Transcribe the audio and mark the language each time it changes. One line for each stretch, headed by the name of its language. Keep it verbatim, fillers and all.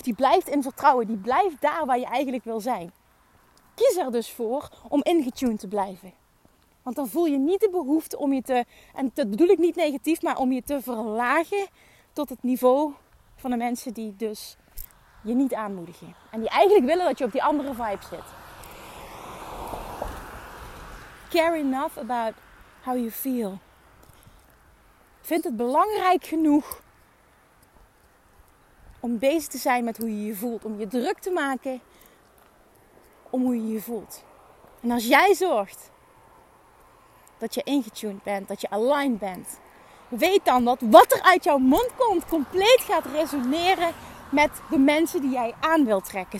Dutch: Die blijft in vertrouwen. Die blijft daar waar je eigenlijk wil zijn. Kies er dus voor om ingetuned te blijven. Want dan voel je niet de behoefte om je te... En dat bedoel ik niet negatief, maar om je te verlagen tot het niveau van de mensen die dus je niet aanmoedigen. En die eigenlijk willen dat je op die andere vibe zit.
English: Care enough about how you feel.
Dutch: Vind het belangrijk genoeg om bezig te zijn met hoe je je voelt. Om je druk te maken om hoe je je voelt. En als jij zorgt dat je ingetuned bent, dat je aligned bent, weet dan dat wat er uit jouw mond komt compleet gaat resoneren met de mensen die jij aan wilt trekken.